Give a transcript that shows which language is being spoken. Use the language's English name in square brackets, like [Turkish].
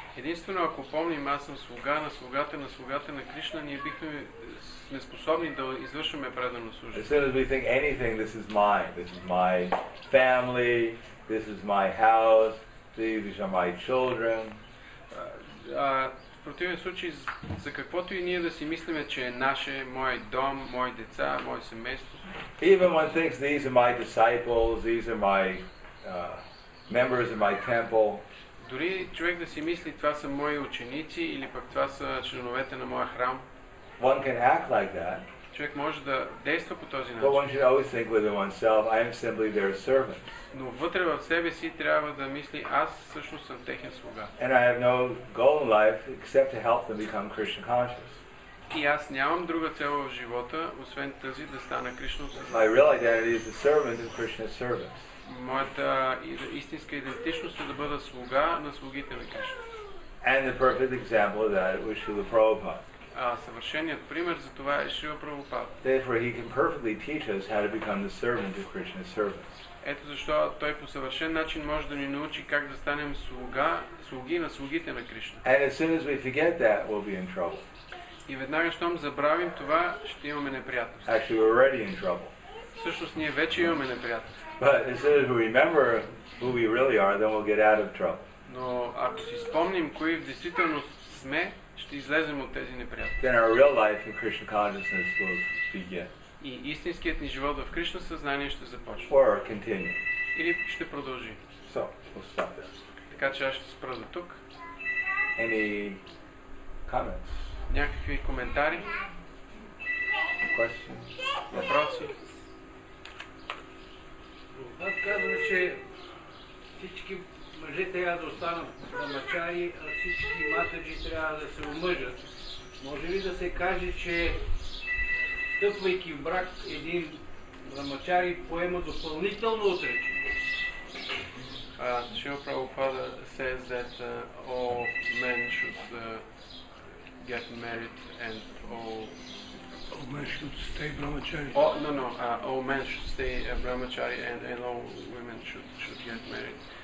[Bulgarian] Единствено ако помним аз съм слуга на слугата на слугата на Кришна, ние бихме сме способни да извършваме предано служение. [English] As soon as we think anything, this is mine, this is my family, this is my house, these are my children. [Bulgarian] В противен случай, за каквото и ние да си мислим, че е наше, мой дом, мои деца, мое семейство. [English] Even one thinks these are my disciples, these are my members of my temple. [Bulgarian] Дори човек да си мисли, това са мои ученици или пък това са членовете на моя храм. [English] One can act like that. [Bulgarian] Човек може да действа по този начин. [English] But one should always think within oneself, I am simply their servant. [Bulgarian] Но вътре в себе си трябва да мисли, аз всъщност съм техен слуга. [English] And I have no goal in life except to help them become Krishna conscious. [Bulgarian] И аз нямам друга цел в живота, освен тази да стана Кришна осъзнат. [English] My real identity is the servant of Krishna's servant. [Bulgarian] Моята истинска идентичност е да бъда слуга на слугите на Кришна. [English] And the perfect example of that was Srila Prabhupada. [Bulgarian] Съвършеният пример за това е Шрила Прабхупада. [English] Therefore he can perfectly teach us how to become the servant of Krishna's servant. [Bulgarian] Ето защо той по съвършен начин може да ни научи как да станем слуга, слуги на слугите на Кришна. [English] And as soon as we forget that, we'll be in trouble. [Bulgarian] И веднага щом забравим това, ще имаме неприятност. [English] Actually, we're already in trouble. [Bulgarian] Всъщност ние вече имаме неприятност. [English] But as soon as we remember who we really are, then we'll get out of trouble. [Bulgarian] Но ако си спомним кои в действителност сме, ще излезем от тези неприятности. [English] Then our real life in Krishna consciousness will begin. [Bulgarian] И истинският ни живот в Кришна съзнание ще започне. [English] Or continue. [Bulgarian] Или ще продължи. [English] So, we'll stop there. [Bulgarian] Така че аз ще спра до тук. [English] Any comments? [Bulgarian] Някакви коментари? [English] Questions? [Bulgarian] Въпроси? Аз казвам, че всички мъже трябва да останат на мачаи, а всички матъджи трябва да се омъжат. Може ли да се каже, че стъпвайки в брак, един брамачари поема допълнително отречение? [English] Шрила Прабхупада says that all men should get married and all men should stay brahmachari. Oh, no, no, all men should stay brahmachari and all women should get married.